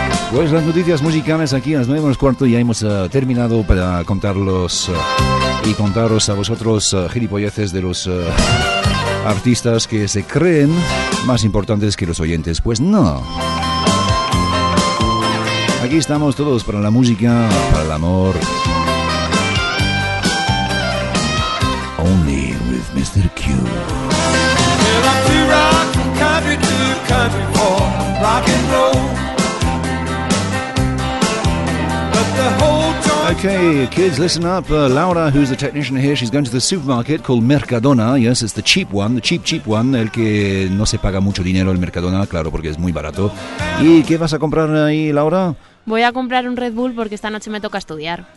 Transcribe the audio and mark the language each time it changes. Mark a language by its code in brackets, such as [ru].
[es] Pues las noticias musicales aquí a las 9 menos cuarto ya hemos terminado para contarlos y contaros a vosotros gilipolleces de los artistas que se creen más importantes que los oyentes. Pues no. Aquí estamos todos para la música, para el amor. [en] Only with Mr. Q. Well, I'm too rock from country to country for rock and roll. But the whole joint. Okay, kids, listen up. Laura, who's the technician here, she's going to the supermarket called Mercadona. Yes, it's the cheap one, the cheap, cheap one. [es] El que no se paga mucho dinero, el Mercadona, claro, porque es muy barato. ¿Y qué vas a comprar ahí, Laura? Voy a comprar un Red Bull porque esta noche me toca estudiar.